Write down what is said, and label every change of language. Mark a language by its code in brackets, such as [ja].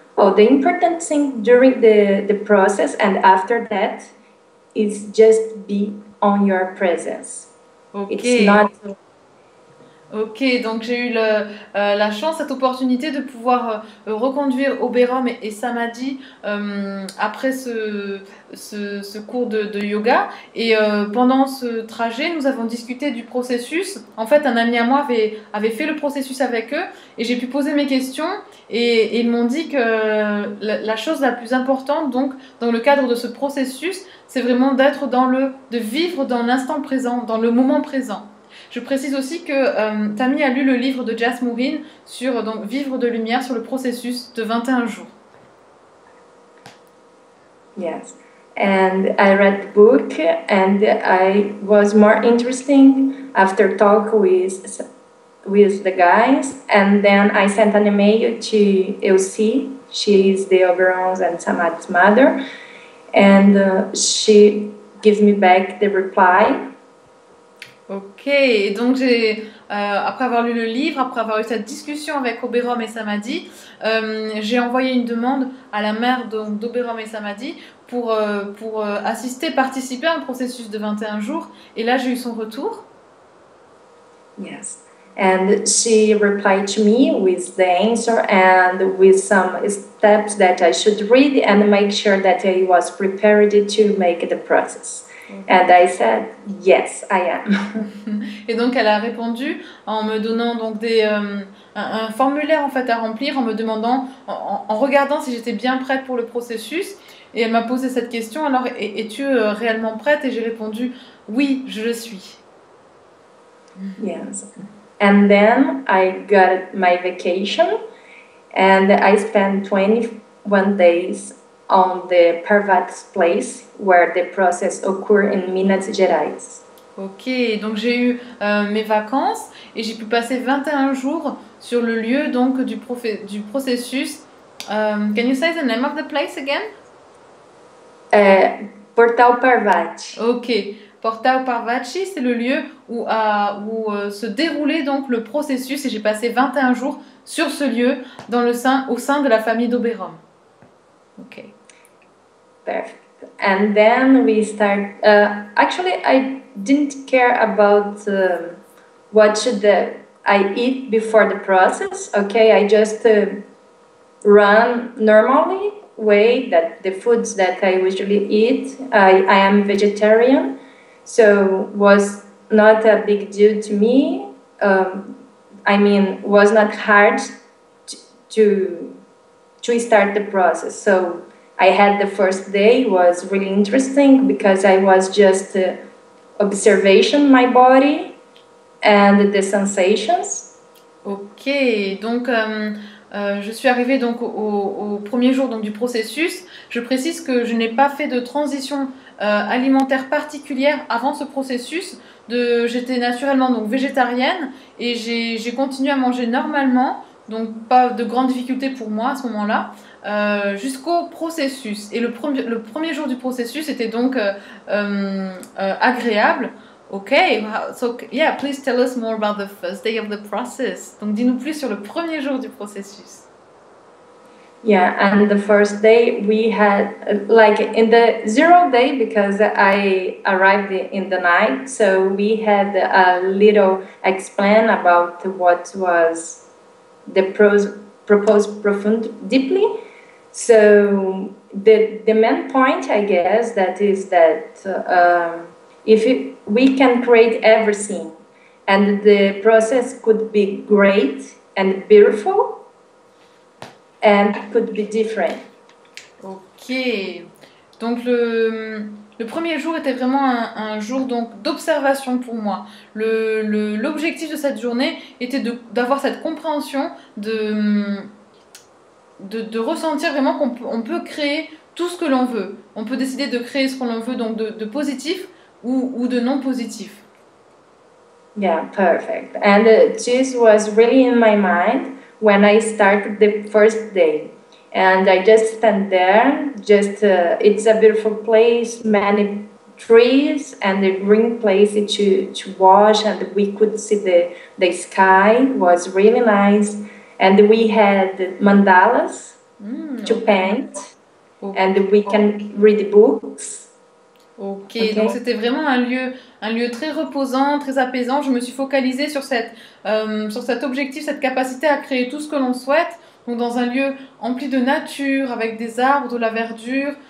[en] Oh, the important thing during the process and after that is just be on your presence. Okay. It's not... [fr] Ok, donc j'ai eu la chance, cette opportunité de pouvoir reconduire Oberom et Samadhi après ce cours de yoga. Et pendant ce trajet, nous avons discuté du processus. En fait, un ami à moi avait fait le processus avec eux et j'ai pu poser mes questions. Et ils m'ont dit que la chose la plus importante, donc, dans le cadre de ce processus, c'est vraiment d'être de vivre dans l'instant présent, dans le moment présent. Je précise aussi que Tammy a lu le livre de Jas Morin sur donc, Vivre de lumière sur le processus de 21 jours. [en] Yes, and I read the book and I was more interesting after talk with the guys and then I sent an email to Elsie, she is the Oberon's and Samad's mother and she gave me back the reply. [fr] Ok, et donc après avoir lu le livre, après avoir eu cette discussion avec Oberom et Samadhi, j'ai envoyé une demande à la mère d'Oberom et Samadhi pour assister, participer à un processus de 21 jours. Et là, j'ai eu son retour. [en] Yes, and she replied to me with the answer and with some steps that I should read and make sure that I was prepared to make the process. And I said, yes, I am. [fr] Et donc, elle a répondu en me donnant donc un formulaire en fait à remplir, en me demandant, en regardant si j'étais bien prête pour le processus. Et elle m'a posé cette question, alors, es-tu réellement prête? Et j'ai répondu, oui, je le suis. [en] Yes. And then, I got my vacation. And I spent 21 days on the Parvati's place where the process occurs in Minas Gerais. [fr] Ok, donc j'ai eu mes vacances et j'ai pu passer 21 jours sur le lieu donc du processus. [en] Can you say the name of the place again? Portal Parvati. [fr] Ok, Portal Parvati, c'est le lieu où se déroulait donc le processus et j'ai passé 21 jours sur ce lieu au sein de la famille d'Oberom. [en] Ok. Perfect. And then we start. Actually, I didn't care about what should I eat before the process. Okay, I just run normally way that the foods that I usually eat. I am vegetarian, so was not a big deal to me. I mean, was not hard to start the process. So. I had the first day was really interesting because I was just observation my body and the sensations. [fr] Ok, donc je suis arrivée donc au premier jour donc du processus. Je précise que je n'ai pas fait de transition alimentaire particulière avant ce processus. J'étais naturellement donc végétarienne et j'ai continué à manger normalement, donc pas de grandes difficultés pour moi à ce moment-là. Jusqu'au processus et le premier jour du processus était donc agréable. [en] Ok, so yeah, please tell us more about the first day of the process. [fr] Donc dis-nous plus sur le premier jour du processus. [en] Yeah, and the first day we had like in the zero day because I arrived in the night, so we had a little explain about what was the proposed profound deeply. So the main point, I guess, that is that we can create everything and the process could be great and beautiful and could be different. [fr] Ok, donc le premier jour était vraiment un jour donc d'observation pour moi. L'objectif de cette journée était d'avoir cette compréhension de ressentir vraiment qu'on peut créer tout ce que l'on veut. On peut décider de créer ce que l'on veut, donc de positif ou de non positif. [en] Yeah, perfect. And this was really in my mind when I started the first day. And I just stand there, just it's a beautiful place, many trees and a green place to wash and we could see the sky was really nice. And we had mandalas. to paint, and we can read books. [fr] Okay, donc c'était vraiment un lieu très reposant, très apaisant. Je me suis focalisée sur cet objectif, cette capacité à créer tout ce que l'on souhaite. Donc dans un lieu empli de nature, avec des arbres, de la verdure.